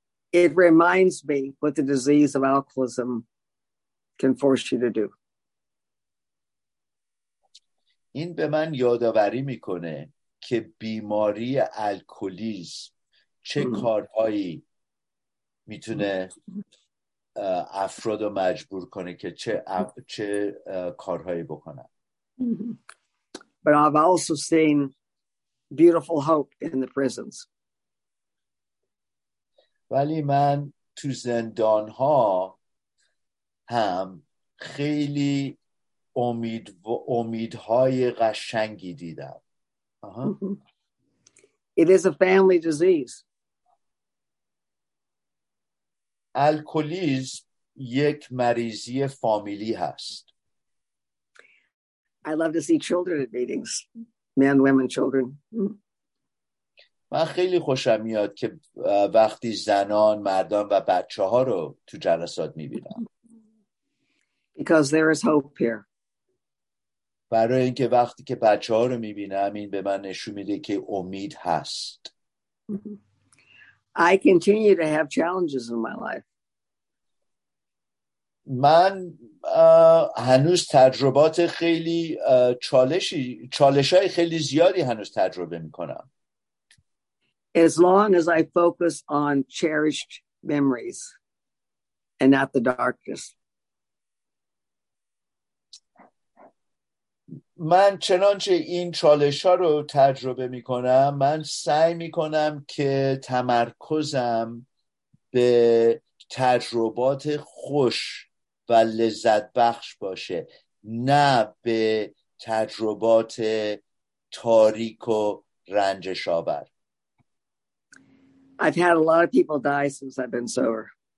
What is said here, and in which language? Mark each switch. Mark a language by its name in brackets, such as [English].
[English] It reminds me what the disease of alcoholism can force you to do. [Persian] این به من یادآوری میکنه که بیماری الکلیسم چه کارهایی میتونه افراد رو مجبور کنه که چه کارهایی بکنن. [English] But I've also seen beautiful hope in the prisons. [Persian] ولی من تو زندان ها هم خیلی امید و امیدهای قشنگی دیدم. [English] It is a family disease. [Persian] الکلیسم یک مریضی فامیلی هست. [English] I love to see children at meetings. Men, women, children. [Persian] من خیلی خوشم میاد که وقتی زنان، مردان و بچه ها رو تو جلسات میبینم. [English] Because there is hope here. [Persian] برای اینکه وقتی که بچه ها رو میبینم این به من نشون میده که امید هست. [English] I continue to have challenges in my life. [Persian] من هنوز تجربات خیلی چالش های خیلی زیادی هنوز تجربه میکنم. [English] As long as I focus on cherished memories and not the darkness. [Persian] من چنانچه این چالش ها رو تجربه می کنم، من سعی می کنم که تمرکزم به تجربات خوش و لذت بخش باشه، نه به تجربات تاریک و رنجش آور. [English] I've had a lot of people die since I've been sober.